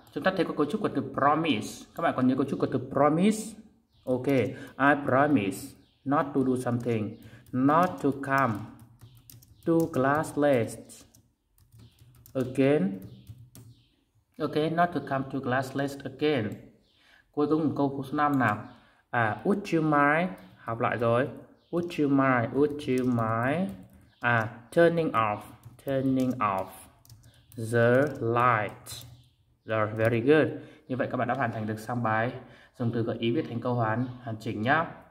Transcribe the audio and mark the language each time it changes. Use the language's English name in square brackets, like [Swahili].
[Vietnamese] Chúng ta thấy có cấu trúc của từ promise. Các bạn còn nhớ cấu trúc của từ promise? [English] Ok, I promise not to do something, not to come to class late again. Ok, not to come to class late again. [Vietnamese] Cuối cùng câu số 5 nào. [English] À, would you mind, [Vietnamese] học lại rồi. [English] Would you mind turning off the light. [Vietnamese] Rồi, [English] very good. [Vietnamese] Như vậy các bạn đã hoàn thành được xong bài dùng từ gợi ý viết thành câu hoàn chỉnh nhá.